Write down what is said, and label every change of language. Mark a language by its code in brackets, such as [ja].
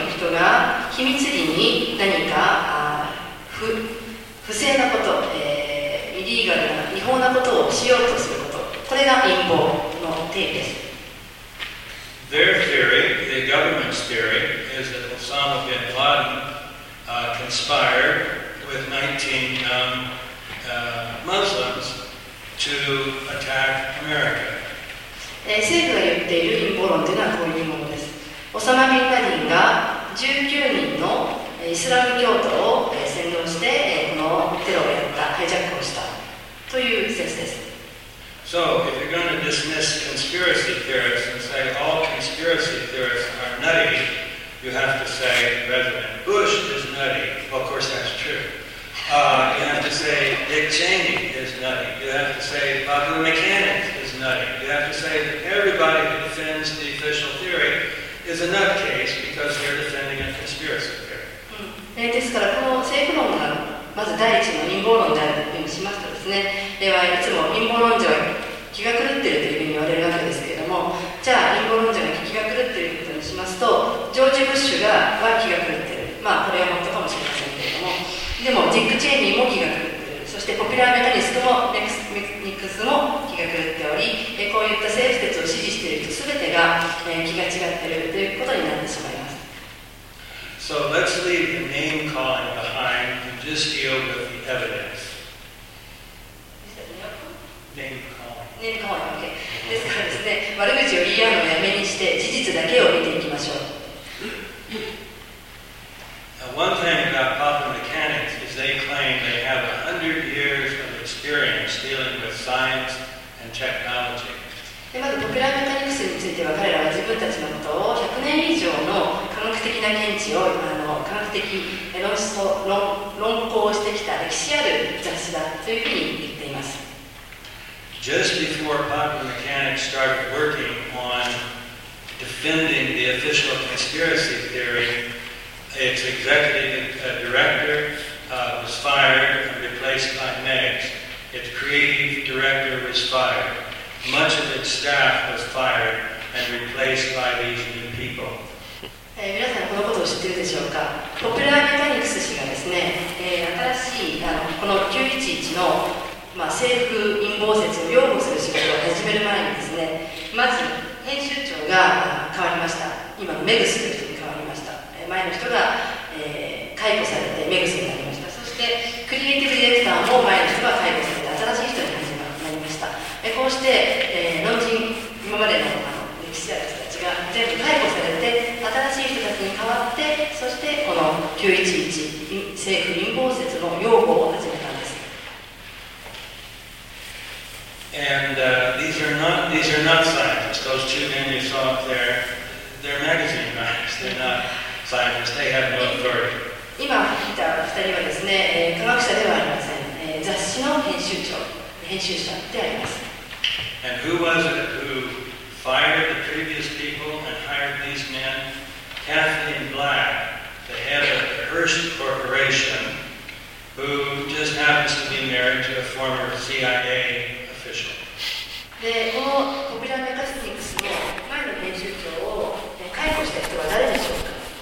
[ja] が秘密裏に何か不正なこと、イリーガルな違法なことをしようとすること、これが陰謀の定義です。 [en] Their theory, the government's theory, is that Osama bin Laden、conspired with 19、Muslims to attack America. [ja] 政府が言っている陰謀論というのはこういうものです。オサマ・ビンラディンが19人のイスラム教徒を扇動してこのテロをやった、ハイジャックをしたという説です。 [en] So, if you're going to dismiss conspiracy theorists and say all conspiracy theorists are nutty, you have to say President Bush is nutty. Well, of course that's true. You have to say Dick Cheney is nutty. You have to say Bobby Mechanic is nutty. You have to say that everybody who defends the official theory is a nutcase because they're defending a conspiracy. [ja] ですからこの政府論がまず第一の陰謀論であるというふうにしますとですね、ではいつも陰謀論者は気が狂っているというふうに言われるわけですけれども、じゃあ陰謀論者が気が狂っているということにしますと、ジョージ・ブッシュがは気が狂っている、まあこれは本当かもしれませんけれども、でもディック・チェイニーも気が狂っている、そしてポピュラーメタニストもネクスミックスも気が狂っており、こういった政府説を支持している人全てが気が違っているということになってしまいます。 [en] So let's leave the name-calling behind and just deal with the evidence. Name-calling. Now, one thing about Papa Mechanics is they claim they have 100 years of experience dealing with science and technology. [ja] でまずポピュラーメカニクスについては、彼らは自分たちのことを100年以上の科学的な見地を、科学的論考をしてきた歴史ある雑誌だというふうに言っています。 [en] Just before Popular Mechanics started working on defending the official conspiracy theory, its executive director was fired and replaced by Meggs. Its creative director was firedMuch of its staff was fired and replaced by these new people. [ja] 皆さんこのことを知っているでしょうか。ポピュラーメカニクス氏がですね、新しいこの911の、政府陰謀説を擁護する仕事を始める前にですね、まず編集長が変わりました。今のメグスという人に変わりました。前の人が、解雇されてメグスになりました。そしてクリエイティブディレクターも前の人が解雇されて新しい人になりました。こうして、老人、今までの歴史ある人たちが全部解雇されて、新しい人たちに代わって、そしてこの911、政府陰謀説の擁護を始めたんです。 [en] And, these are not scientists. Those two men you saw up there, they're magazine writers. They're not scientists. They have no authority. [ja] 今見た2人はですね、科学者ではありません。雑誌の編集者であります。 [en] And who was it who fired the previous people and hired these men? Kathleen Black, the head of the Hearst Corporation, who just happens to be married to a former CIA official. [ja] で、このポピュラーメカニクスの前の編集長を解雇した人は誰でしょうか？